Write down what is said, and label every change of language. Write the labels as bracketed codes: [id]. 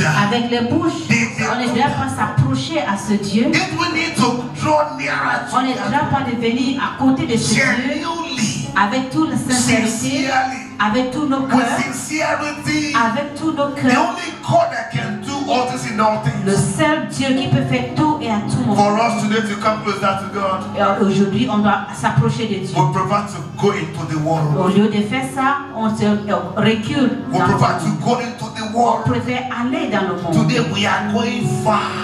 [fr] avec les bouches, on ne doit pas s'approcher à ce Dieu. [en] If we need to draw nearer to [fr] on ne doit pas venir à côté de ce [en] genuinely, [fr] Dieu avec toute la sincérité, avec tous nos cœurs, avec tous nos cœurs. [en] The only God that can do all this and all things. [fr] Le seul Dieu qui peut faire tout et à tout moment. [en] For us today to come closer to God. [fr] Aujourd'hui, on doit s'approcher de Dieu. [en] We prefer to go into the world. [fr] Au lieu de faire ça, on se recule. [en] We prefer to go into the world. [fr] On préfère aller dans le monde. [en] Today we are going far.